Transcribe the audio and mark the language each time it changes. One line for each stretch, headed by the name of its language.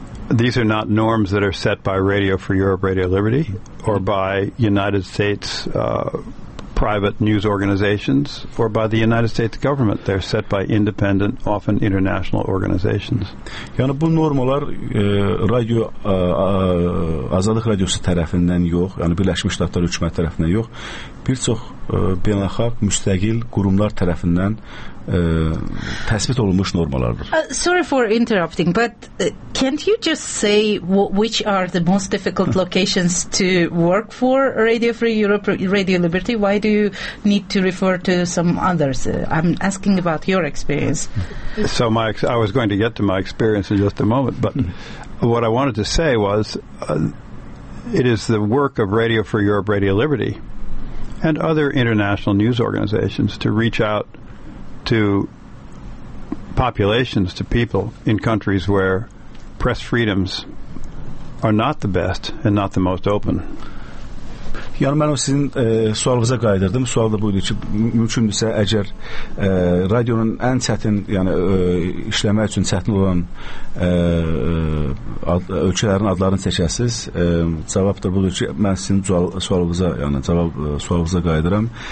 English: These are not norms that are set by Radio for Europe, Radio Liberty, or by United States private news organizations, or by the United States government. They're set by independent, often international organizations.
Azerbaijani: Yəni bu normalar radio azadlıq radiosu tərəfindən yox, yəni Birləşmiş Ştatlar hökuməti tərəfindən yox, bir çox beynəlxalq müstəqil qurumlar tərəfindən təsbit olunmuş normalardır.
English: Sorry for interrupting, but can't you just say which are the most difficult locations to work for Radio Free Europe, Radio Liberty? Why do you need to refer to some others? I'm asking about your experience. So I was going to get to my experience in just a moment, but what I wanted to say was it is the work of Radio Free Europe, Radio Liberty and other international news organizations to reach out to populations, to people in countries where press freedoms are not the best and not the most open.
Azerbaijani: Yəni mən sizin sualınıza qayıdırdım. Sual da buydu ki, mümkündürsə əgər radionun ən çətin, yəni işləmək üçün çətin olan ölkələrin adlarını seçəsiz. Cavab da budur ki, mən sizin sualınıza, yəni cavab sualınıza qayıdıram.